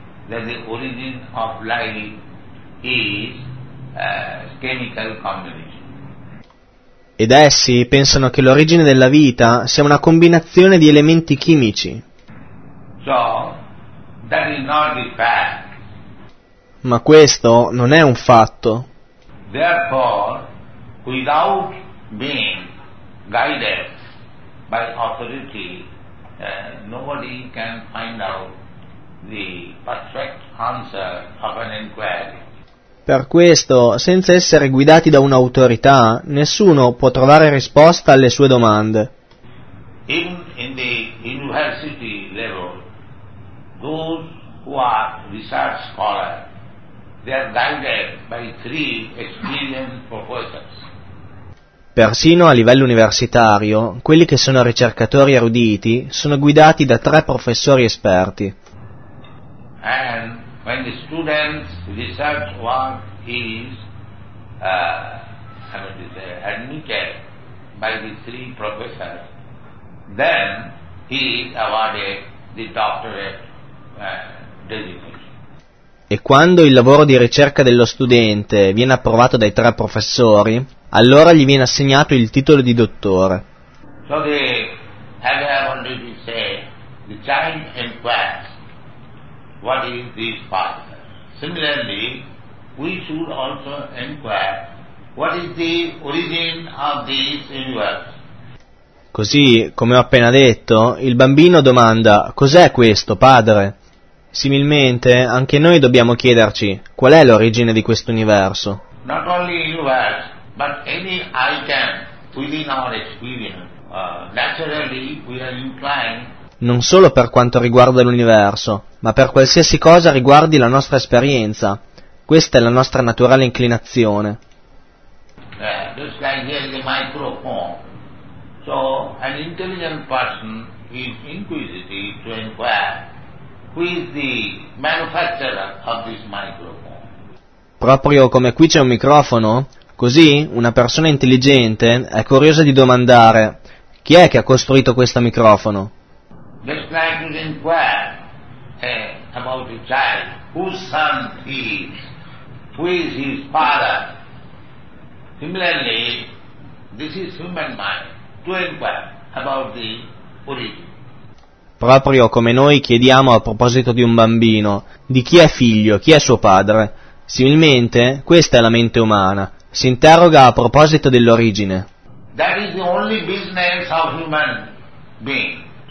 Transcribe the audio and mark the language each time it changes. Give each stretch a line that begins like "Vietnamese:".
English: That the origin of life is chemical combination.
Italian: Ed essi pensano che l'origine della vita sia una combinazione di elementi chimici.
English: So, that is not the fact.
Italian: Ma questo non è un fatto.
English: Therefore, without being guided by authority, nobody can find out the perfect answer of an inquiry.
Italian: Per questo, senza essere guidati da un'autorità, nessuno può trovare risposta alle sue domande.
English: Even in the university level, those who are research scholars, they are guided by three experienced professors.
Italian: Persino a livello universitario, quelli che sono ricercatori eruditi sono guidati da tre professori esperti.
English: And when the student's research work is admitted by the three professors, then he is awarded the doctorate designation.
Italian: E quando il lavoro di ricerca dello studente viene approvato dai tre professori, allora gli viene assegnato il titolo di dottore.
English: So they have already to say the child inquires. What is this father? Similarly, we should also inquire, what is the origin of this universe?
Italian: Così, come ho appena detto, il bambino domanda, cos'è questo, padre? Similmente, anche noi dobbiamo chiederci, qual è l'origine di questo universo?
English: Not only universe, but any item within our experience. Naturally, we are inclined.
Italian: Non solo per quanto riguarda l'universo, ma per qualsiasi cosa riguardi la nostra esperienza. Questa è la nostra naturale inclinazione.
English: This guy here is a microphone. So, an intelligent person is inquisitive to inquire who is the manufacturer of this microphone.
Italian: Proprio come qui c'è un microfono, così una persona intelligente è curiosa di domandare chi è che ha costruito questo microfono?
English: Just like you inquire about a child, whose son he is, who is his father. Similarly, this is human mind, to inquire about the origin.
Italian: Proprio come noi chiediamo a proposito di un bambino, di chi è figlio, chi è suo padre. Similmente, questa è la mente umana, si interroga a proposito dell'origine.
English: That is the only business of human being.